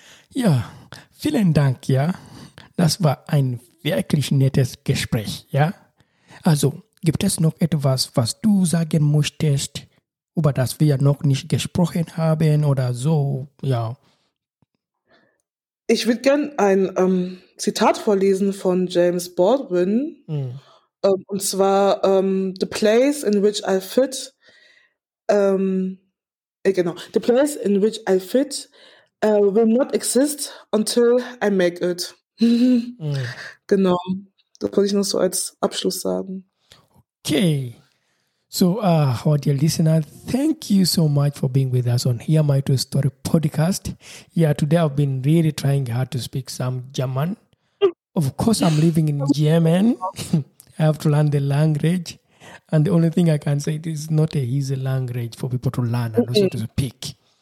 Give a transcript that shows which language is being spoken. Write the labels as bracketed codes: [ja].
[de] Ja, vielen Dank, ja. Das war ein wirklich nettes Gespräch, ja? Also, gibt es noch etwas, was du sagen möchtest, über das wir noch nicht gesprochen haben oder so, ja? Ich würde gern ein Zitat vorlesen von James Baldwin. Und zwar, [en] the place in which I fit, the place in which I fit will not exist until I make it. [de] Genau, das wollte ich noch so als Abschluss sagen. [en] Okay, so our dear listener, thank you so much for being with us on Hear My True Story podcast. Yeah, today I've been really trying hard to speak some German. Of course, I'm living in Yemen. I have to learn the language, and the only thing I can say, this is not a easy language for people to learn and also to speak.